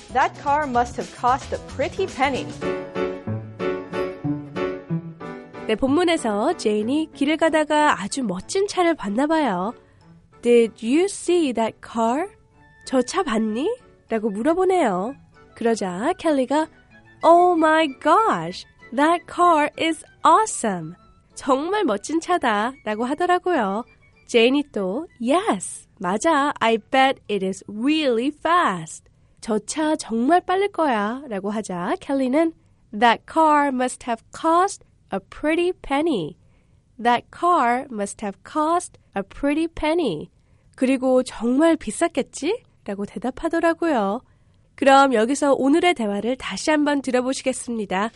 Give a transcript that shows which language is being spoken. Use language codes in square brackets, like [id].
[en] That car must have cost a pretty penny. [ko] 네, 본문에서 제인이 길을 가다가 아주 멋진 차를 봤나 봐요. [en] Did you see that car? [ko] 저 차 봤니? 라고 물어보네요. 그러자 켈리가 [en] Oh my gosh, that car is awesome. [ko] 정말 멋진 차다 라고 하더라고요. 제인이 또 [en] Yes, [ko] 맞아. [en] I bet it is really fast. [ko] 저 차 정말 빠를 거야 라고 하자 켈리는 [en] That car must have cost a pretty penny. That car must have cost a pretty penny. [ko] 그리고 정말 비쌌겠지? 라고 대답하더라고요. 그럼 여기서 오늘의 대화를 다시 한번 들어보시겠습니다.